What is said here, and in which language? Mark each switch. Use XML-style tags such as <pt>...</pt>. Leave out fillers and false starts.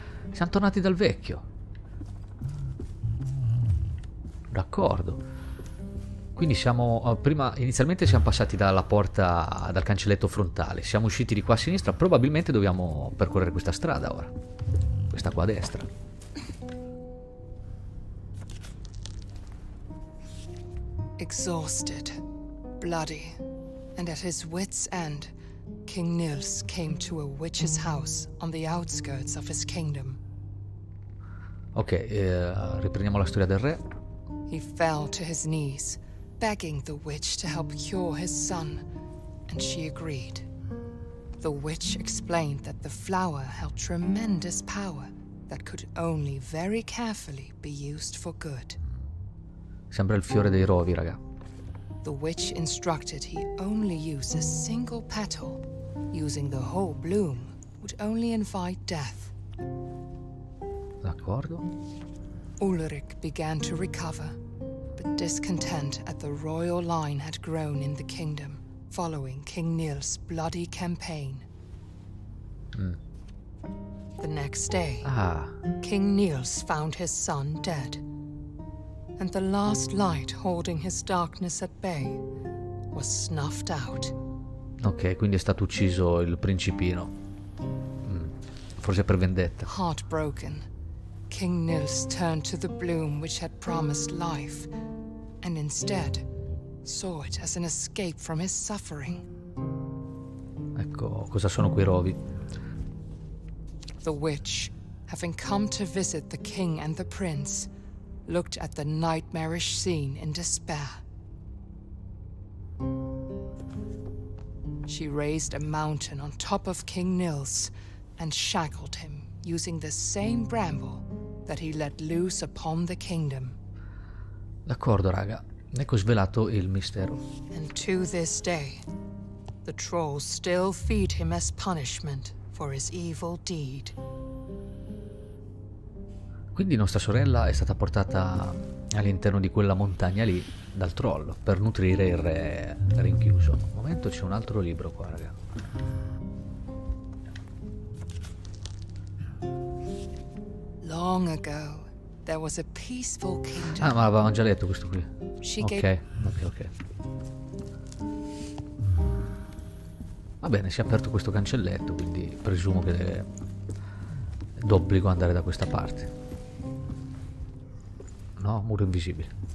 <it>Siamo tornati dal vecchio. D'accordo. Quindi inizialmente siamo passati dalla porta, dal cancelletto frontale, siamo usciti di qua a sinistra, probabilmente dobbiamo percorrere questa strada ora, questa qua a destra.</it> <en>Exhausted, bloody, and at his wits' end, King Nils came to a witch's house on the outskirts of his kingdom.</en> <it>Ok, riprendiamo la storia del re.</it> <en>He fell to his knees, begging the witch to help cure his son, and she agreed. The witch explained that the flower held tremendous power that could only very carefully be used for good.</en> <it>Sembra il fiore dei rovi, raga.</it> <en>The witch instructed he only use a single petal. Using the whole bloom would only invite death.</en> <it>D'accordo.</it> <en>Ulrich began to recover, but discontent at the royal line had grown in the kingdom following King Nils' bloody campaign. The next day, King Nils found his son dead. And the last light holding his darkness at bay was snuffed out.</en> <it>Ok, quindi è stato ucciso il principino. Forse per vendetta.</it> <en>Heartbroken, King Nils turned to the bloom which had promised life and instead saw it as an escape from his suffering.</en> <it>Ecco, cosa sono quei rovi?</it> <en>The witch, having come to visit the king and the prince, looked at the nightmarish scene in despair. She raised a mountain on top of King Nils and shackled him using the same bramble that he let loose upon the kingdom.</en> <it>D'accordo, raga. Ecco svelato il mistero.</it> <en>And to this day, the trolls still feed him as punishment for his evil deed.</en> <it>Quindi nostra sorella è stata portata all'interno di quella montagna lì dal troll per nutrire il re rinchiuso. Un momento, c'è un altro libro qua, raga.</it> <en>Long ago, there was a peaceful Ah, kingdom.</en> <it>ma l'avevamo già letto questo qui.</it> <en>She gave. Ok.</en> <it>Va bene, si è aperto questo cancelletto, quindi presumo che è d'obbligo andare da questa parte. No, muro invisibile.</it>